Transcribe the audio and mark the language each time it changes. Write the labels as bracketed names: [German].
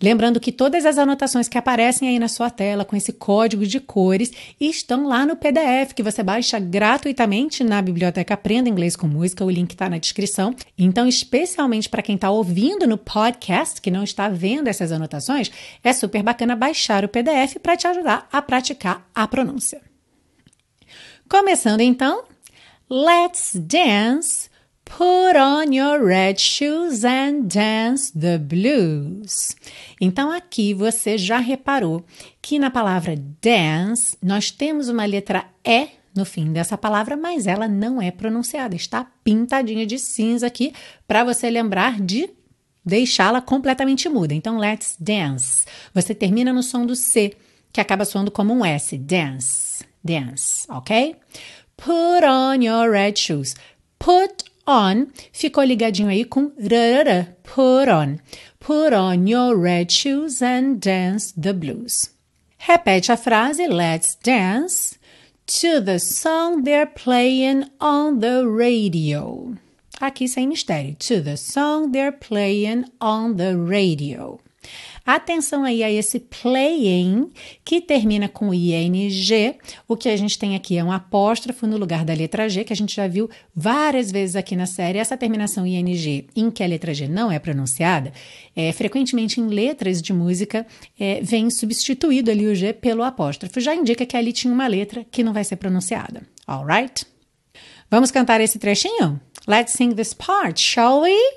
[Portuguese] Lembrando que todas as anotações que aparecem aí na sua tela com esse código de cores estão lá no PDF que você baixa gratuitamente na biblioteca Aprenda Inglês com Música, o link está na descrição. Então, especialmente para quem está ouvindo no podcast, que não está vendo essas anotações, é super bacana baixar o PDF para te ajudar a praticar a pronúncia. Começando então, [English] Let's dance, put on your red shoes and dance the blues. [Portuguese] Então, aqui você já reparou que na palavra dance, nós temos uma letra E no fim dessa palavra, mas ela não é pronunciada, está pintadinha de cinza aqui para você lembrar de deixá-la completamente muda. Então, [English] let's dance. [Portuguese] Você termina no som do C, que acaba soando como um S, dance, dance, ok? [English] Put on your red shoes. [Portuguese] Put on ficou ligadinho aí com rrr. [English] Put on. Put on your red shoes and dance the blues. [Portuguese] Repete a frase, [English] let's dance to the song they're playing on the radio. [Portuguese] Aqui sem mistério. [English] To the song they're playing on the radio. [Portuguese] Atenção aí a esse playing, que termina com ing. O que a gente tem aqui é um apóstrofo no lugar da letra G, que a gente já viu várias vezes aqui na série. Essa terminação ing, em que a letra G não é pronunciada, frequentemente em letras de música, vem substituído ali o G pelo apóstrofo. Já indica que ali tinha uma letra que não vai ser pronunciada. [English] All right? [Portuguese] Vamos cantar esse trechinho? [English] Let's sing this part, shall we?